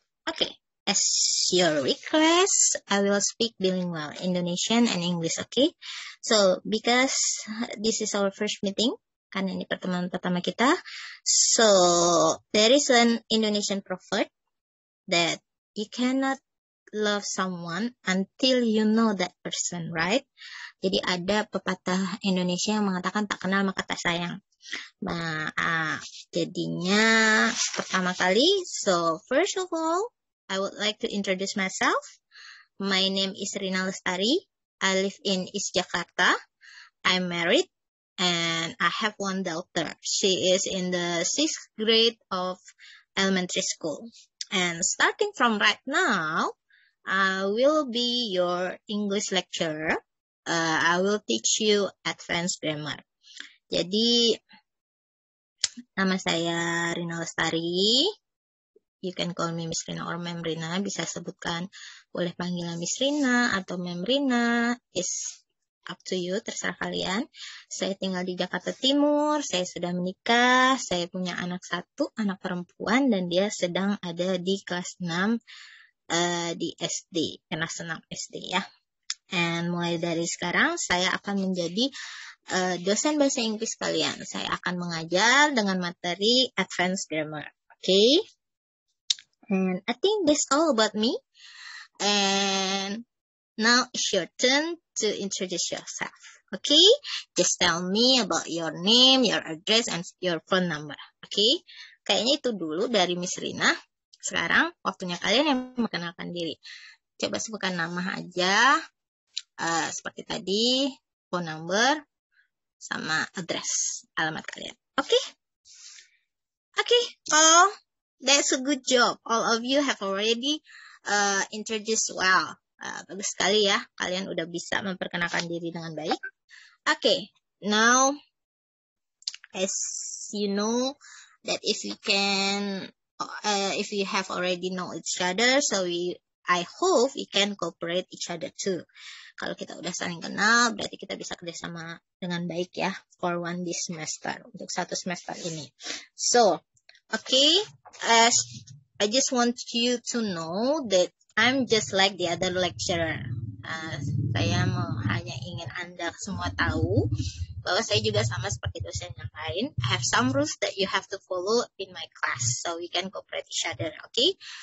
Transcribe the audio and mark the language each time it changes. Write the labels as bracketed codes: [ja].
[en] Okay, as your request, I will speak bilingual, Indonesian and English, okay? So, because this is our first meeting, [id] karena ini pertemuan pertama kita. [en] So, there is an Indonesian proverb that you cannot love someone until you know that person, right? [id] Jadi ada pepatah Indonesia yang mengatakan tak kenal maka tak sayang. Nah, jadinya pertama kali. [en] So, first of all, I would like to introduce myself. My name is Rina Lestari. I live in East Jakarta. I'm married. And I have one daughter. She is in the sixth grade of elementary school. And starting from right now, I will be your English lecturer. I will teach you advanced grammar. [id] Jadi, nama saya Rina Lestari. [en] You can call me Miss Rina or Mem Rina. [id] Bisa sebutkan, boleh panggilan Miss Rina atau Mem Rina. [en] It's up to you, [id] terserah kalian. Saya tinggal di Jakarta Timur, saya sudah menikah, saya punya anak satu, anak perempuan, dan dia sedang ada di kelas 6 di SD, kelas 6 SD ya. And mulai dari sekarang, saya akan menjadi dosen bahasa Inggris kalian. Saya akan mengajar dengan materi advanced grammar, okay? [en] And I think that's all about me. And now it's your turn to introduce yourself, okay? Just tell me about your name, your address, and your phone number, okay? [id] Kayaknya itu dulu dari Miss Rina. Sekarang waktunya kalian yang memperkenalkan diri. Coba sebutkan nama aja, seperti tadi, phone number, sama address, alamat kalian, okay? [en] Okay, well, that's a good job. All of you have already introduced well. [id] Bagus sekali ya, kalian udah bisa memperkenalkan diri dengan baik. [en] Okay, now, as you know, that if you can, if you have already know each other, so I hope you can cooperate each other too. [id] Kalau kita udah saling kenal, berarti kita bisa kerjasama dengan baik ya, [en] for one this semester, [id] untuk satu semester ini. [en] So, okay, as I just want you to know that I'm just like the other lecturer. [id] Saya hanya ingin Anda semua tahu bahwa saya juga sama seperti dosen yang lain. [en] I have some rules that you have to follow in my class so we can cooperate each other, okay?